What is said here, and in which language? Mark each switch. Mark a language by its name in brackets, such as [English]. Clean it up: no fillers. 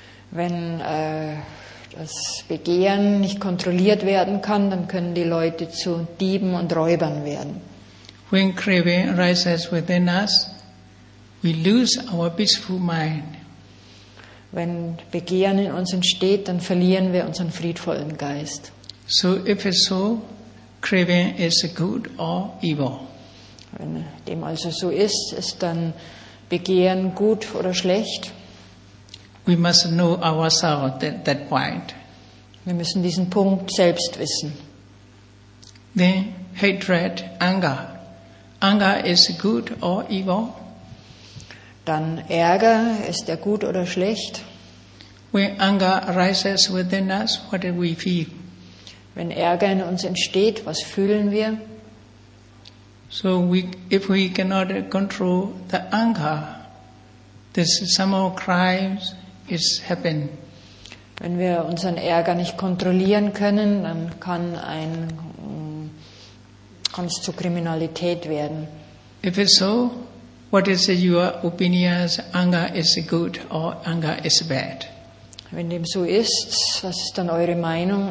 [German] Wenn das Begehren nicht kontrolliert werden kann, dann können die Leute zu Dieben und Räubern werden. [English] When craving arises within us, we lose our peaceful mind. [German] Wenn Begehren in uns entsteht, dann verlieren wir unseren friedvollen Geist. [English] So if it's so, craving is good or evil. [German] Wenn dem also so ist, ist dann Begehren gut oder schlecht? [English] We must know ourselves at that point. [German] Wir müssen diesen Punkt selbst wissen. [English] Then hatred, anger. Anger is good or evil? [German] Dann Ärger, ist er gut oder schlecht? [English] When anger arises within us, what do we feel? [German] Wenn Ärger in uns entsteht, was fühlen wir? [English] So if we cannot control the anger, this somehow crimes is happen. [German] Wenn wir unseren Ärger nicht kontrollieren können, dann kann es zu Kriminalität werden. [English] If it's so, what is your opinion? Anger is good or anger is bad? [German] Wenn dem so ist, was ist dann eure Meinung?